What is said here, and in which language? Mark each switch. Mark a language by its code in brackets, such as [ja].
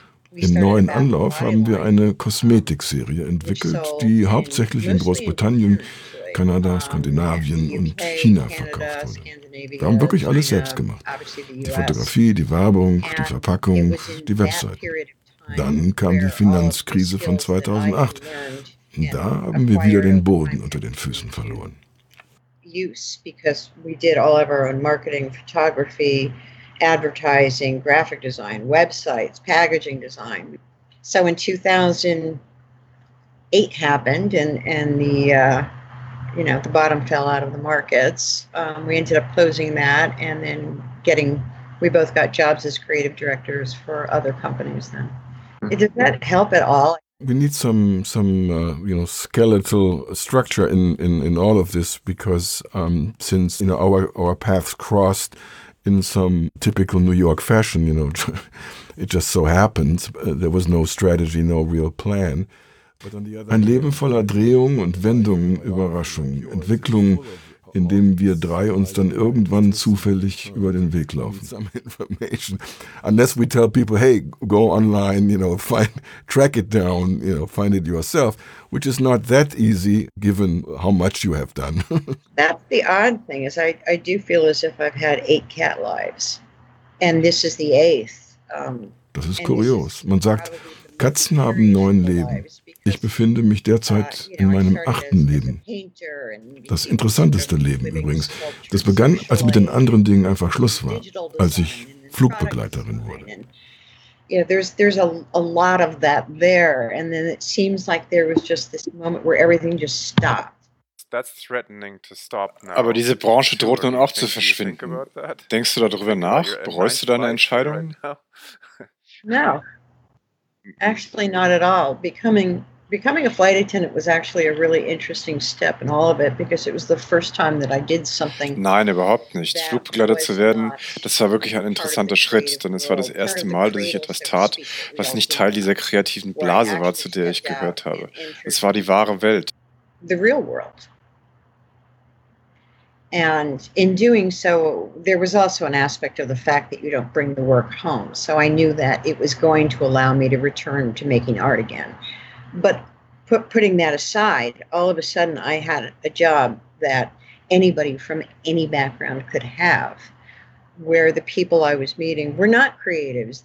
[de] Im neuen Anlauf haben wir eine Kosmetikserie entwickelt, die hauptsächlich in Großbritannien, Kanada, Skandinavien und China verkauft wurde. Wir haben wirklich alles selbst gemacht. Die Fotografie, die Werbung, die Verpackung, die Webseiten. Dann kam die Finanzkrise von 2008. Und da haben wir wieder den Boden unter den Füßen verloren. [en] Because we did all of our own marketing, photography, advertising, graphic design, websites, packaging design. So in 2008 happened and the you know, the bottom fell out of the markets. We ended up closing that and then we both got jobs as creative directors for other companies then. Did that help at all? We need some you know, skeletal structure in all of this because since, you know, our paths crossed in some typical New York fashion, you know, it just so happened. There was no strategy, no real plan. [de] Ein Leben voller Drehungen und Wendungen, Überraschungen, Entwicklungen, in dem wir drei uns dann irgendwann zufällig über den Weg laufen. [en] Some information. Unless we tell people, hey, go online, you know, find, track it down, you know, find it yourself, which is not that easy, given how much you have done. That's the odd thing, is I do feel as if I've had 8 cat lives, and this is the 8th. [de] Das ist kurios. Man sagt, Katzen haben 9 Leben. Ich befinde mich derzeit in meinem 8. Leben. Das interessanteste Leben übrigens. Das begann, als mit den anderen Dingen einfach Schluss war, als ich Flugbegleiterin wurde. [en] Yeah, there's a lot of that there, and then it seems like there was just this moment where everything just stopped. That's threatening to stop now. [de] Aber diese Branche droht nun auch zu verschwinden. Denkst du darüber nach? Bereust du deine Entscheidung? [en] No. Actually not at all. Becoming a flight attendant was actually a really interesting step in all of it, because it was the first time that I did something. [de] Nein, überhaupt nicht. Flugbegleiter zu werden, das war wirklich ein interessanter Schritt, denn es war das erste Mal, dass ich etwas tat, was nicht Teil dieser kreativen Blase war, zu der ich gehört habe. Es war die wahre Welt. [en] The real world. And in doing so, there was also an aspect of the fact that you don't bring the work home. So I knew that it was going to allow me to return to making art again. But putting that aside, all of a sudden I had a job that anybody from any background could have, where the people I was meeting were not creatives.